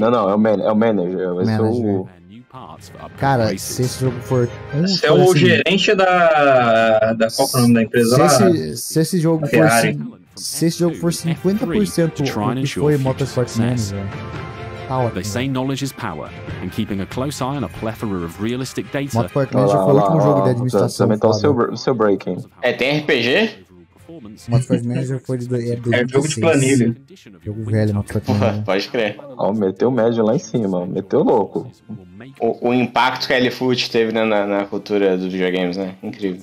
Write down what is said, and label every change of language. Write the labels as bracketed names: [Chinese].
[Portuguese] Não, é o manager. Vai ser o... Cara, se esse jogo for... Você é o assim, gerente da... Qual é o nome da empresa se lá? Se esse jogo for... Se esse jogo for 50% o que foi Motorsport Manager, tá ótimo. [English] They say knowledge is power, and keeping a close eye on a plethora of realistic data... [Portuguese] Motorsport Manager foi o último jogo de administração. Também tá o seu breaking. É, tem RPG? Motorsport Manager foi de 2016. É jogo de planilha. Jogo velho, Motorsport Manager. Pode crer. Ó, meteu o médio lá em cima. Meteu louco. O impacto que a LFoot teve, né, na cultura dos videogames, né? Incrível.